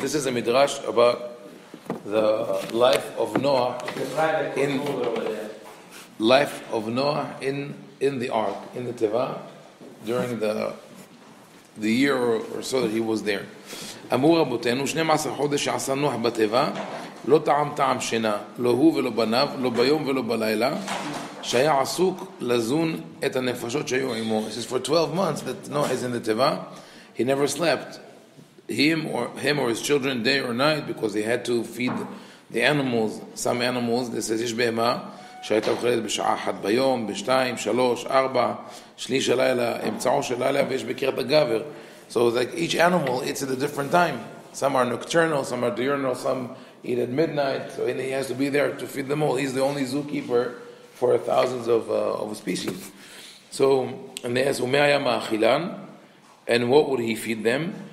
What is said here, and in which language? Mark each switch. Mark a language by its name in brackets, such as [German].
[English] This is a midrash about the life of Noah in the ark, in the Teva, during the year or so that he was there. [Hebrew] אמרו רבותינו, 12 חודש עשה נוח בטבע, לא טעם טעם שינה, לא הוא ולא בניו, לא ביום ולא בלילה, שהיה עסוק לזון את הנפשות שהיו עמו. [English] It says, for 12 months that Noah is in the Teva, he never slept, him or his children, day or night, because he had to feed the animals, some animals. [Hebrew] This says, יש בהמה, שהייתה אוכלת בשעה אחת ביום, בשתיים, שלוש, ארבע, שליש הלילה, אמצעו של לילה, ויש בקרת הגבר. [English] So like each animal, it's at a different time. Some are nocturnal, some are diurnal, some eat at midnight. So he has to be there to feed them all. He's the only zookeeper for thousands of species. So, and they ask, [Hebrew] "Ume haya ma'achilan?" [English] And what would he feed them?